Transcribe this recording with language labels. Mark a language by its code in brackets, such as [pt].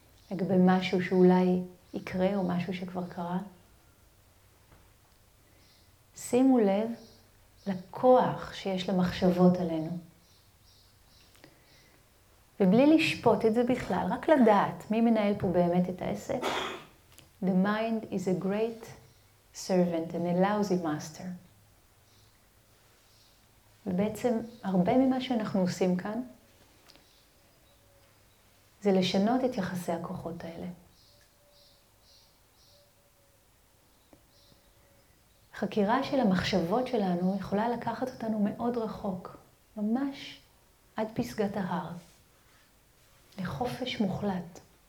[he] לגבי משהו שאולי יקרה או משהו שכבר קרה? שימו לב לכוח שיש למחשבות עלינו. ובלי לשפוט את זה בכלל, רק לדעת מי מנהל פה באמת את העסק. [en] The mind is a great servant and a lousy master. [he] ובעצם הרבה ממה שאנחנו עושים כאן, זה לשנות את יחסי הכוחות האלה. חקירה של המחשבות שלנו יכולה לקחת אותנו מאוד רחוק, ממש עד פסגת ההר, לחופש מוחלט.